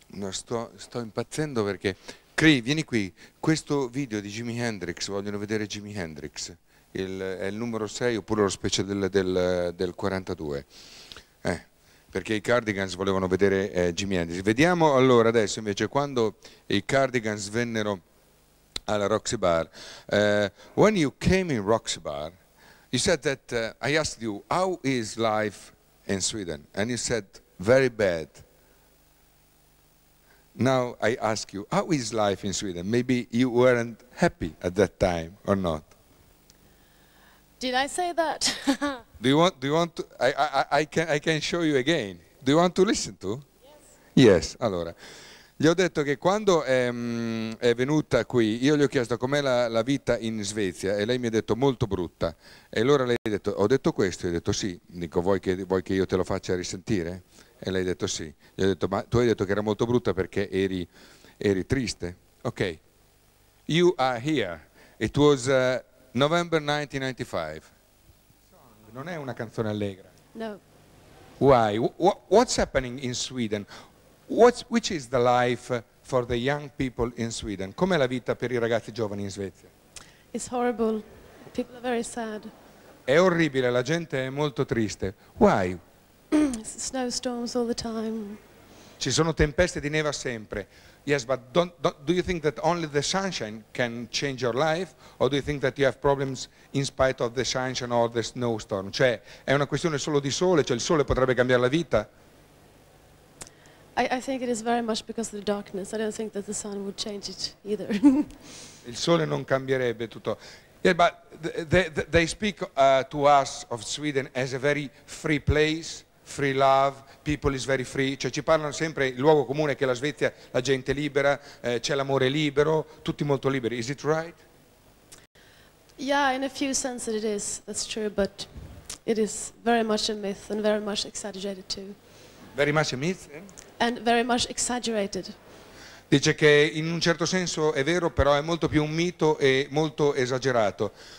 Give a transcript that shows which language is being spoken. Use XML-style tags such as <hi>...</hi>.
<it>sto impazzendo perché Cree, vieni qui, questo video di Jimi Hendrix, vogliono vedere Jimi Hendrix, è il numero 6 oppure lo special del 42, perché i Cardigans volevano vedere Jimi Hendrix. Vediamo allora adesso invece quando i Cardigans vennero alla Roxy Bar.</it> <en>When you came in Roxy Bar, you said that, I asked you, how is life in Sweden? And you said, very bad. Now I ask you, how is life in Sweden? Maybe you weren't happy at that time or not. Did I say that? I can show you again. Do you want to listen to? Yes.</en> <it>Yes, allora. Gli ho detto che quando è venuta qui, io gli ho chiesto com'è la vita in Svezia e lei mi ha detto molto brutta. E allora lei ha detto, ho detto questo? E ho detto sì. Dico, vuoi che io te lo faccia risentire? E lei ha detto sì. Gli ho detto, ma tu hai detto che era molto brutta perché eri triste?</it> <en>Ok. You are here. It was November 1995.</en> <it>Non è una canzone allegra. No.</it> <en>Why? What's happening in Sweden? Which is the life for the young people in Sweden?</en> <it>Com'è la vita per i ragazzi giovani in Svezia?</it> <en>It's horrible. People are very sad.</en> <it>È orribile, la gente è molto triste. Why?</it> <en>Snowstorms all the time.</en> <it>Ci sono tempeste di neve sempre.</it> <en>Yes, but do you think that only the sunshine can change your life? Or do you think that you have problems in spite of the sunshine or the snowstorm?</en> <it>Cioè, è una questione solo di sole? Cioè, il sole potrebbe cambiare la vita?</it> <en>I think it is very much because of the darkness. I don't think that the sun would change it either.</en> <it>Il sole non cambierebbe tutto.</it> <en>Yeah, but they speak to us of Sweden as a very free place, free love, people is very free.</en> <it>Cioè ci parlano sempre, il luogo comune che la Svezia, la gente libera, c'è l'amore libero, tutti molto liberi.</it> <en>Is it right? Yeah, in a few sense it is, that's true, but it is very much a myth and very much exaggerated too. Very much a myth? And very much exaggerated.</en> <it>Dice che in un certo senso è vero, però è molto più un mito e molto esagerato.</it>